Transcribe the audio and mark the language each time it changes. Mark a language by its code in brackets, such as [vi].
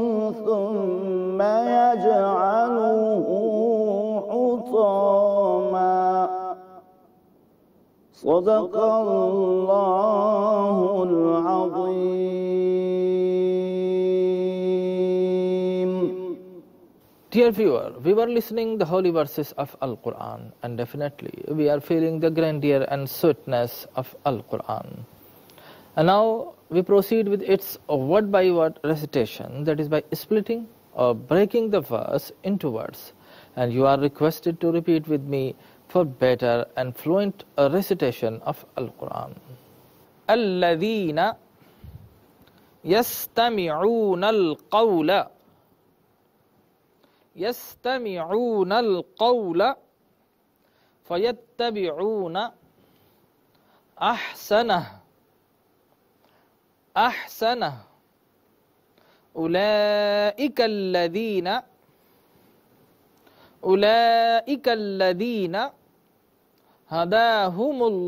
[ar] ثم يجعله حطاما صدق الله العظيم. [en] Dear viewer, we were listening the holy verses of Al-Quran, and definitely we are feeling the grandeur and sweetness of Al-Quran. And now we proceed with its word by word recitation, that is by splitting or breaking the verse into words. And you are requested to repeat with me for better and fluent recitation of Al-Quran. [ar] Alladhina yastami'una al-qawla يستمعون القول فيتبعون أحسنه أحسنه أولئك الذين هداهم